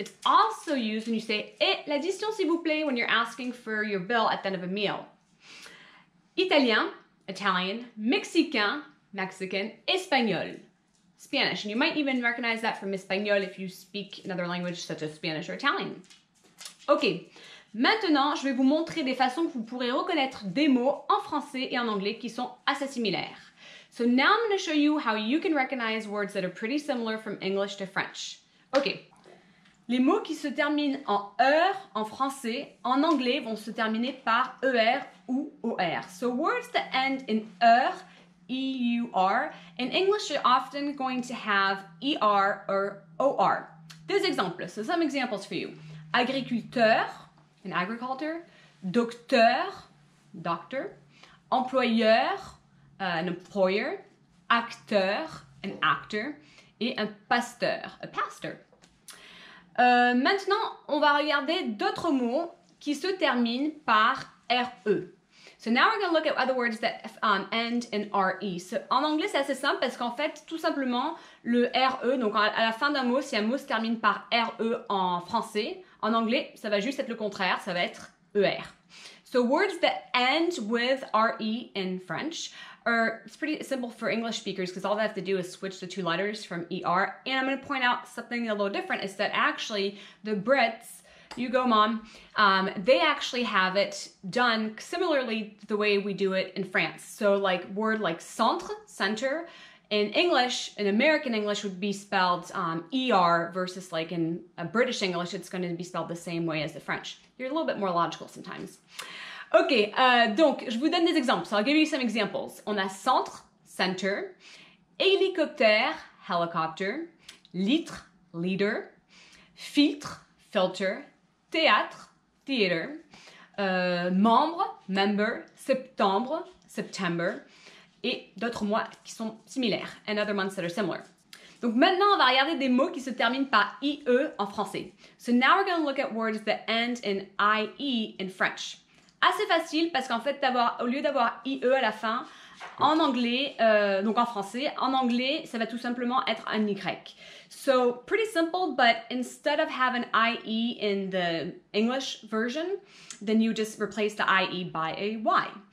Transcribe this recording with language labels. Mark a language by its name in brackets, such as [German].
[English] It's also used when you say, [French] et l'addition s'il vous plaît, [English] when you're asking for your bill at the end of a meal. [French] Italien, Italian. Mexicain, Mexican. Espagnol, Spanish. [English] And you might even recognize that from Espagnol if you speak another language such as Spanish or Italian. Ok. [French] Maintenant, je vais vous montrer des façons que vous pourrez reconnaître des mots en français et en anglais qui sont assez similaires. [English] So now I'm going to show you how you can recognize words that are pretty similar from English to French. [French] Ok, les mots qui se terminent en "-er", en français, en anglais, vont se terminer par "-er" ou "-or". [English] So words that end in "-er", "-e-u-r", in English are often going to have "-er" or "-or". [French] Deux exemples, [English] so some examples for you. Agriculteur, an agriculture. [French] Docteur, doctor. Employeur, an employer. Acteur, an actor. Et un pasteur, a pastor. Maintenant, on va regarder d'autres mots qui se terminent par RE. [English] So now we're going to look at other words that end in RE. So [French] en anglais, c'est assez simple parce qu'en fait, tout simplement, le RE, donc à la fin d'un mot, si un mot se termine par RE en français, en anglais, ça va juste être le contraire, ça va être ER. [English] So words that end with RE in French are, it's pretty simple for English speakers because all they have to do is switch the two letters from ER. And I'm going to point out something a little different is that actually the Brits, you go mom, they actually have it done similarly to the way we do it in France. So like word like centre, center, in English, in American English, would be spelled ER versus like in British English, it's going to be spelled the same way as the French. You're a little bit more logical sometimes. [French] Ok, donc je vous donne des exemples. [English] So I'll give you some examples. [French] On a centre, center. Hélicoptère, helicopter. Litre, leader. Filtre, filter. Théâtre, theater. Membre, member. Septembre, September. Et d'autres mois qui sont similaires, [English] and other months that are similar. [French] Donc maintenant, on va regarder des mots qui se terminent par IE en français. [English] So now we're going to look at words that end in IE in French. [French] Assez facile parce qu'en fait, au lieu d'avoir IE à la fin, En anglais, donc en français, en anglais, ça va tout simplement être un Y. [English] So, pretty simple, but instead of having an IE in the English version, then you just replace the IE by a Y.